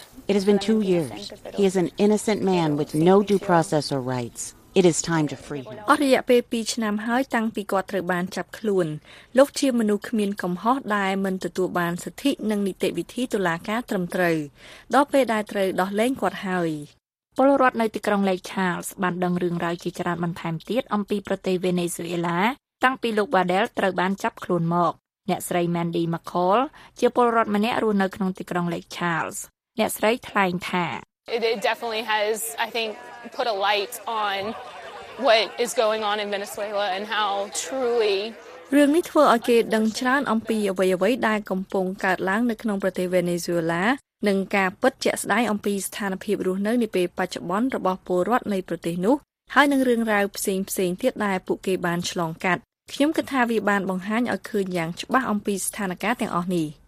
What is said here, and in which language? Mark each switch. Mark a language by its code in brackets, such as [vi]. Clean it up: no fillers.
[en] It has been 2 years. He is an innocent man with no due process or rights. It is time to free him. [km] អស់រយៈពេល2ឆ្នាំហើយតាំងពីគាត់ត្រូវបានចាប់ខ្លួនលោកជាមនុស្សគ្មានកំហុសដែលមិនទទួលបានសិទ្ធិនិងនីតិវិធីតុលាការត្រឹមត្រូវដល់ពេលដែលត្រូវដោះលែងគាត់ហើយ ពលរដ្ឋនៅទីក្រុង Lake Charles បានដឹងរឿងរ៉ាវជាច្រើនបន្ថែមទៀតអំពីប្រទេស Venezuela តាំងពីលោក Badel ត្រូវបានចាប់ខ្លួនមកអ្នកស្រី Mandy McCall ជាពលរដ្ឋម្នាក់រស់នៅក្នុងទីក្រុង Lake Charles អ្នកស្រីថ្លែងថា [en] It definitely has, I think, put a light on what is going on in Venezuela and how truly [km] រឿងនេះធ្វើឲ្យគេដឹងច្រើនអំពីអ្វីៗដែលកំពុងកើតឡើងនៅក្នុងប្រទេស Venezuela និងការពិតជាក់ស្ដែងអំពីស្ថានភាពរស់នៅនាពេលបច្ចុប្បន្នរបស់ពលរដ្ឋនៃប្រទេសនោះហើយនឹងរឿងរ៉ាវផ្សេងៗទៀតដែលពួកគេបានឆ្លងកាត់ខ្ញុំគិតថាវាបានបង្ហាញឲ្យឃើញយ៉ាងច្បាស់អំពីស្ថានភាពទាំងអស់នេះ